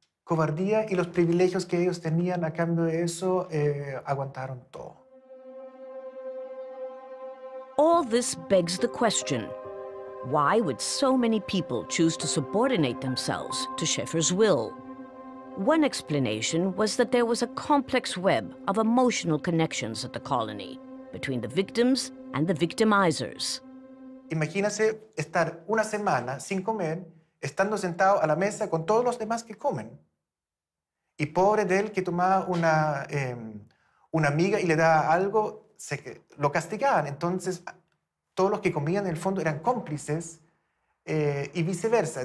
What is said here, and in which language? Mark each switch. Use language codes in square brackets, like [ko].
[es] Cobardía y los privilegios que ellos tenían a cambio de eso aguantaron todo. [en] All this begs the question. Why would so many people choose to subordinate themselves to Schaefer's will? One explanation was that there was a complex web of emotional connections at the colony between the victims and the victimizers. [es] Imagínese estar una semana sin comer, estando sentado a la mesa con todos los demás que comen. Y pobre de él que tomaba una amiga y le daba algo, lo castigaban. Entonces, todos los que comían en el fondo eran cómplices y viceversa.